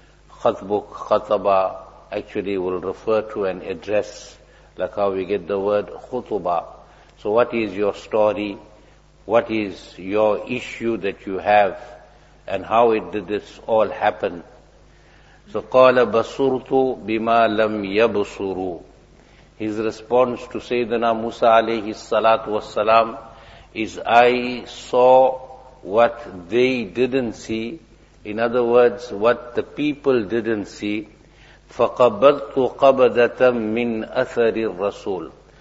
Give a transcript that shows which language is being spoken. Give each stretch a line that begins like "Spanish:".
English: خطبك, خطبا, actually will refer to an address, like how we get the word خطبا. So what is your story, what is your issue that you have, and how it did this all happen? So
Arabic: قَالَ بَصُرْتُ بِمَا لَمْ يَبْصُرُ.
English: His response to Sayyidina Musa alayhi salatu wasalam is, I saw what they didn't see. In other words, what the people didn't see.
Arabic: فَقَبَضْتُ قَبَضَةً مِّنْ أَثَرِ الرَّسُولِ.